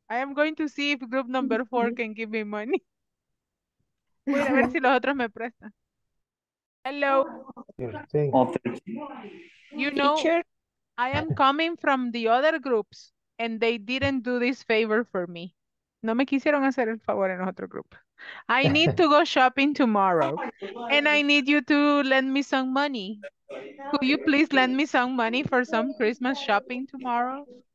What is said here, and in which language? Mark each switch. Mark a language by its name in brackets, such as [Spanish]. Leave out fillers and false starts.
[English] I am going to see if group number 4 can give me money. [Spanish] A ver si los otros me prestan. [English] Hello. You know, I am coming from the other groups and they didn't do this favor for me. [Spanish] No me quisieron hacer el favor en otro grupo. [English] I need to go shopping tomorrow and I need you to lend me some money. Could you please lend me some money for some Christmas shopping tomorrow?